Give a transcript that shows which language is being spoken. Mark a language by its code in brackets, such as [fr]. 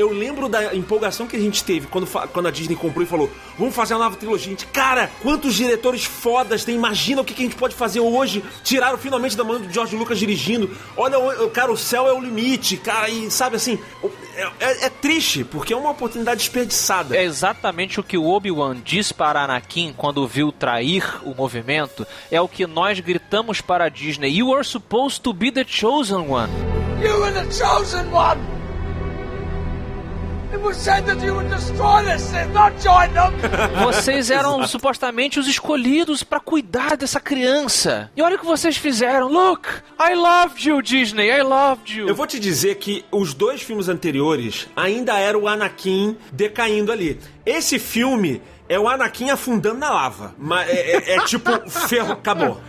[pt] Eu lembro da empolgação que a gente teve quando a Disney comprou e falou, vamos fazer a nova trilogia. A gente, cara, quantos diretores fodas tem, imagina o que a gente pode fazer hoje, tiraram finalmente da mão do George Lucas dirigindo, olha, cara, o céu é o limite, cara, e sabe, assim, é triste, porque é uma oportunidade desperdiçada. É exatamente o que o Obi-Wan diz para Anakin quando viu trair o movimento. É o que nós gritamos para a Disney. [en] You are supposed to be the chosen one. You are the chosen one! It was said that you would destroy this Sith, not join them! [pt] Vocês eram supostamente os escolhidos para cuidar dessa criança. E olha o que vocês fizeram. [en] Look! I loved you, Disney. I loved you. [pt] Eu vou te dizer que os dois filmes anteriores ainda era o Anakin decaindo ali. Esse filme é o Anakin afundando na lava. É tipo, ferro, acabou.